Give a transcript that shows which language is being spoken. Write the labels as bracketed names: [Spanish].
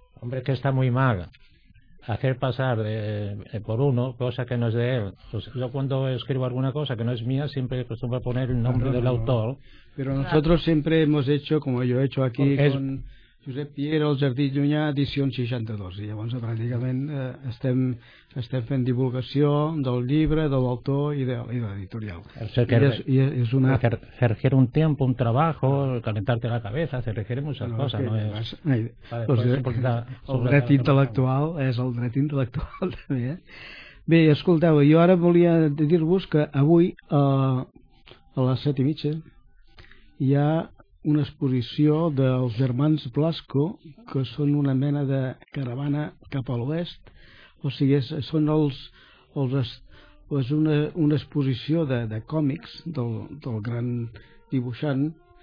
[Spanish] Hombre, que está muy mal hacer pasar por uno cosa que no es de él. Pues yo cuando escribo alguna cosa que no es mía, siempre acostumbro a poner el nombre del autor. Pero nosotros siempre hemos hecho, como yo he hecho aquí, con Josep Piero, el Jardí Llunyà, edició 62. [Catalan] I llavors, pràcticament, estem fent divulgació del llibre, de l'autor i de l'editorial. És una... [Spanish] Se requiere un tiempo, un trabajo, calentarte la cabeza, se requiere muchas cosas. No es... [Catalan] El dret intel·lectual és el dret intel·lectual, també. Bé, escolteu, jo ara volia dir-vos que avui, a les 7:30, hi ha una exposició dels germans Blasco, que són una mena de caravana cap a l'oest, o sigui, són una exposició de còmics del gran dibuixant